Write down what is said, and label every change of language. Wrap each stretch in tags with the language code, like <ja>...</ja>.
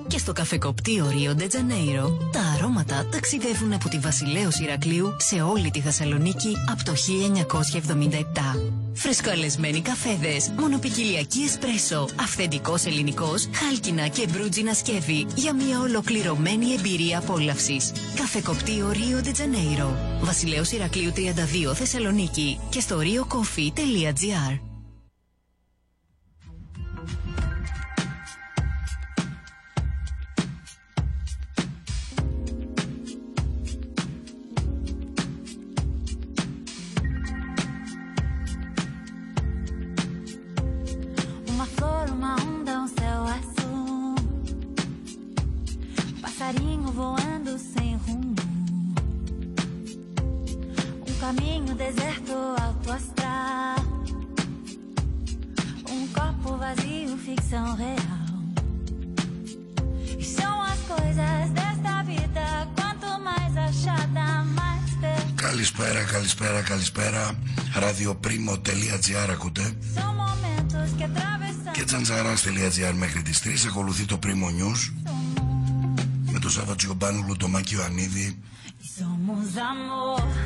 <el>Και στο καφεκοπτίο Rio de Janeiro, τα αρώματα ταξιδεύουν από τη Βασιλέως Ηρακλείου σε όλη τη Θεσσαλονίκη από το 1977. Φρεσκοαλεσμένοι καφέδες, μονοπικιλιακή εσπρέσο, αυθεντικός ελληνικός, χάλκινα και μπρούτζινα σκεύη για μια ολοκληρωμένη εμπειρία απόλαυσης. Καφεκοπτίο Rio de Janeiro. Βασιλέως Ηρακλείου 32 Θεσσαλονίκη και στο riocoffee.gr.</el> <pt>Uma flor, uma onda, um céu azul. Passarinho voando sem rumo. Caminho deserto, alto astral. Corpo vazio, ficção real. E são as coisas desta vida. Quanto mais achada, mais perfeita.</pt> <el>Καλησπέρα, καλησπέρα, καλησπέρα. Radioprimo.gr ακούτε.</el> <pt>São momentos que atravessam.</pt> <el>Και τζαντζαράς.gr μέχρι τις 3. Ακολουθεί το Primo News. Με το Σάββα Τζιομπάνου, Λουτομάκιο Ανίδη.</el> <pt>Somos amor.</pt>